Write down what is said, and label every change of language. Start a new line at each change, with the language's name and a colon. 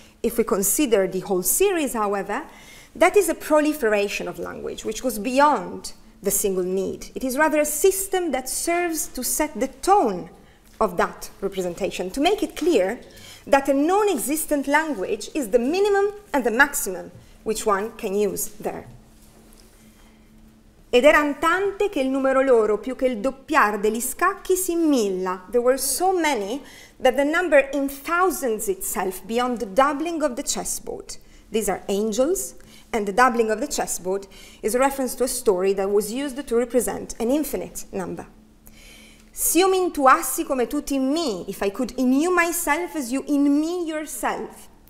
English: If we consider the whole series, however, that is a proliferation of language which goes beyond the single need. It is rather a system that serves to set the tone of that representation, to make it clear that a non-existent language is the minimum and the maximum which one can use there.
Italian: Ed eran tante che il numero loro, più che il doppiar degli scacchi, si milla.
English: There were so many that the number in thousands itself beyond the doubling of the chessboard. These are angels, and the doubling of the chessboard is a reference to a story that was used to represent an infinite number.
Italian: Se io mi intuassi come tu in me,
English: if I could in you myself as you in me yourself.